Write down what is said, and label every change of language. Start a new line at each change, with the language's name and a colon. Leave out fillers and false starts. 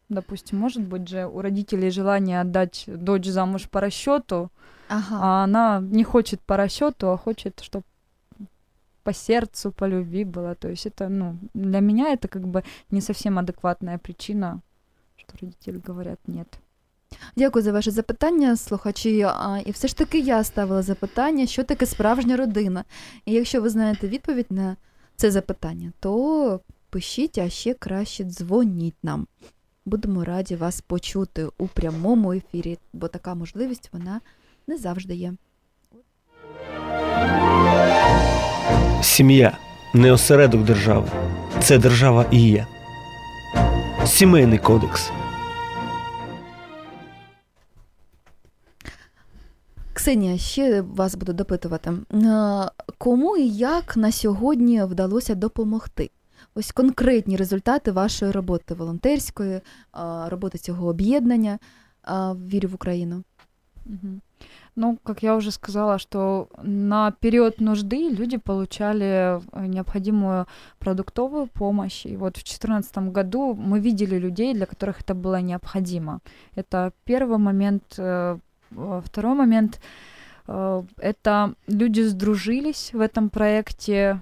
Russian: Допустим, может быть же у родителей желание отдать дочь замуж по расчету, ага. А она не хочет по расчету, а хочет, чтобы... по сердцу, по любви было. То есть это, ну, для меня это как бы не совсем адекватная причина, что родители говорят нет.
Ukrainian: Дякую за ваше запитання, слухачі. І все ж таки я ставила запитання, що таке справжня родина. І якщо ви знаєте відповідь на це запитання, то пишіть, а ще краще дзвоніть нам. Будемо раді вас почути у прямому ефірі, бо така можливість вона не завжди є. Сім'я – не осередок держави, це держава і є. Сімейний кодекс. Ксенія, ще вас буду допитувати. Кому і як на сьогодні вдалося допомогти? Ось конкретні результати вашої роботи волонтерської, роботи цього об'єднання «Вірю в Україну».
Russian: Ну, как я уже сказала, что на период нужды люди получали необходимую продуктовую помощь. И вот в 2014 году мы видели людей, для которых это было необходимо. Это первый момент. Второй момент – это люди сдружились в этом проекте.